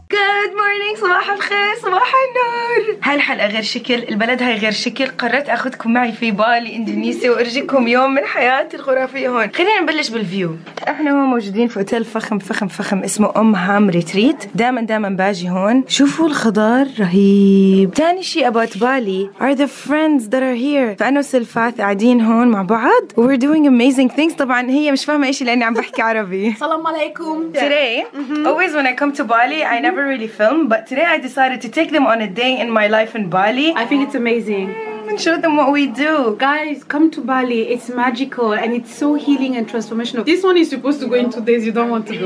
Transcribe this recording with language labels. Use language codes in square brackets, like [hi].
[en] Good morning, [ar] صباح الخير, صباح النور. هالحلقة غير شكل, البلد هاي غير شكل. قررت أخذكم معي في بالي إندونيسيا وأرجيكم يوم من حياتي الخرافية هون. خلينا نبلش بالفيو. إحنا هون موجودين في أوتيل فخم فخم فخم اسمه أم هام ريتريت. دائما دائما باجي هون. شوفوا الخضار رهيب. تاني شيء [en] about Bali are the friends that are here. [ar] فأنا وسلفاث قاعدين هون مع بعض. [en] We're doing amazing things. [ar] طبعا هي مش فاهمة إيش لأني عم بحكي عربي. السلام عليكم. [en] Today always when I come to Bali I never really film, but today I decided to take them on a day in my life in Bali. I think it's amazing. And show them what we do. Guys, come to Bali. It's magical and it's so healing and transformational. This one is supposed to go in 2 days. You don't want to go.